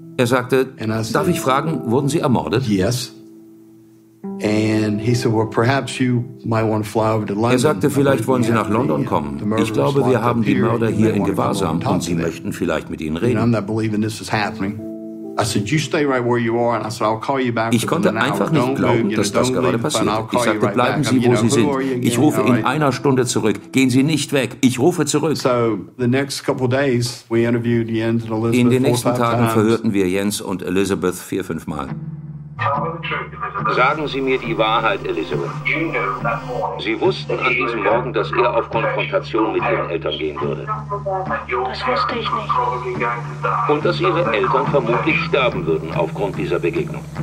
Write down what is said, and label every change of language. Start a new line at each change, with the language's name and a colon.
German: Er sagte, darf ich fragen, wurden sie ermordet?
English: Yes. And he said, well, perhaps you might want to fly over to London.
German: Er sagte, vielleicht wollen sie nach London kommen. Ich glaube, wir haben die Mörder hier in Gewahrsam und sie möchten vielleicht mit ihnen reden.
English: And I'm not believing this is happening. I said, you stay right where you are, and I said, I'll call you back.
German: Ich konnte einfach nicht glauben, dass das gerade passiert. Ich sagte, bleiben Sie, wo Sie sind. Ich rufe in einer Stunde zurück. Gehen Sie nicht weg. Ich rufe zurück.
English: So, the next couple days, we interviewed Jens and Elizabeth four, five times.
German: In den nächsten Tagen verhörten wir Jens und Elizabeth 4-5 Mal. Sagen Sie mir die Wahrheit, Elizabeth. Sie wussten an diesem Morgen, dass er auf Konfrontation mit Ihren Eltern gehen würde. Das wusste ich nicht. Und dass Ihre Eltern vermutlich sterben würden aufgrund dieser Begegnung.